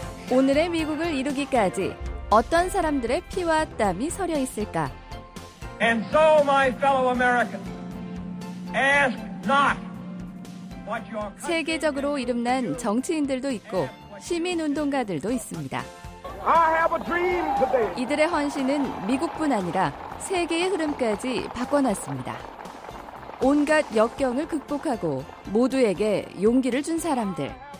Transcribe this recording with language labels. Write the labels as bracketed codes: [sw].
[ko] 오늘의 미국을 이루기까지 어떤 사람들의 피와 땀이 서려 있을까? [en] And so my fellow Americans, ask not what your [ko] 세계적으로 이름난 정치인들도 있고 시민 운동가들도 있습니다. [en] I have a dream today. [ko] 이들의 헌신은 미국뿐 아니라 세계의 흐름까지 바꿔놨습니다. 온갖 역경을 극복하고 모두에게 용기를 준 사람들.